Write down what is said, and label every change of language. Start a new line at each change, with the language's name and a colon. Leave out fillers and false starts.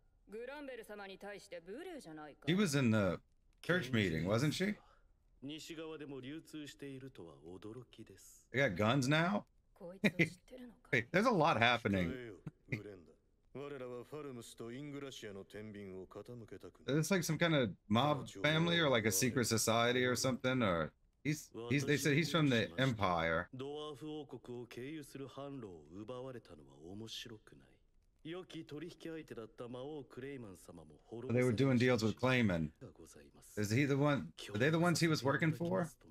Japanese: グランベル様に対して無礼じゃないか。
English: She was in the church meeting, wasn't she?
Japanese: 西側でも流通しているとは驚きです。
English: They got guns now?
Japanese: こいつを知ってるのか。
English: Hey, there's a lot happening.
Japanese: グレンダ、我らはファルムスとイングラシアの天秤を傾けたく。
English: It's like some kind of mob family or like a secret society or something. Or he's they said he's from the empire.
Japanese: ドワーフ王国を経由する販路を奪われたのは面白くない。良き取引相手だった魔王クレイマン様も滅ぼされ。
English: They were doing deals with Clayman. Is he the one? Are they the ones he was working for?